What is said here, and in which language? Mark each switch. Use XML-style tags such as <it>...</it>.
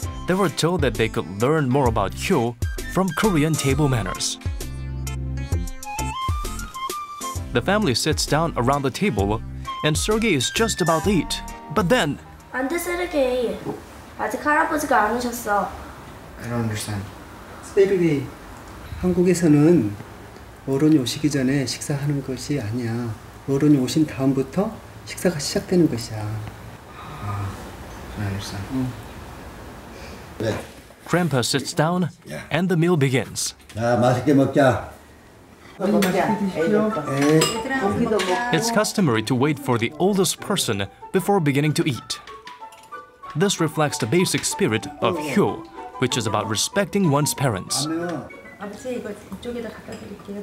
<en>They were told that they could learn more about hyo from Korean table manners. The family sits down around the table, and Sergey is just about to eat. But then,</en> <ko>안 돼, Sergey. 아직 할아버지가 안 오셨어.</ko> <en>I don't understand.</en> <ko>Sergey, 한국에서는 어른이 오시기 전에 식사하는 것이 아니야. 어른이 오신 다음부터 식사가 시작되는 것이야.</ko> <en>I understand. 네. Grandpa sits down, yeah. And the meal begins.</en> <ko>자, 맛있게 먹자. 맛있게 드시죠. 네.</ko> <en>It's customary to wait for the oldest person before beginning to eat. This reflects the basic spirit of hyo, which is about respecting one's parents.</en> <ko>아버지, 이거 이쪽에다 갖다 드릴게요.</ko>